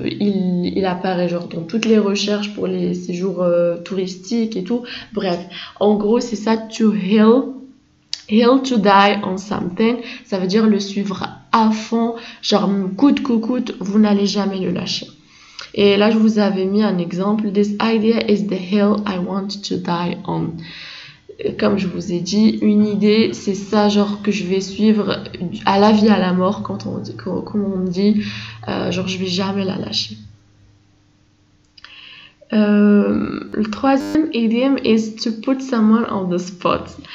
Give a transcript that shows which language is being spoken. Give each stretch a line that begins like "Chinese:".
French: Il apparaît genre dans toutes les recherches pour les séjours touristiques et tout. Bref, en gros, c'est ça,
English: Hill to die on something,
French: ça veut dire le suivre à fond, genre coûte que coûte, vous n'allez jamais le lâcher. Et là, je vous avais mis un exemple.
English: This idea is the hill I want to die on.
French: Comme je vous ai dit, une idée, c'est ça, genre que je vais suivre à la vie, à la mort, comme on dit, genre je vais jamais la lâcher. Le troisième idiome
English: is to put someone on the spot.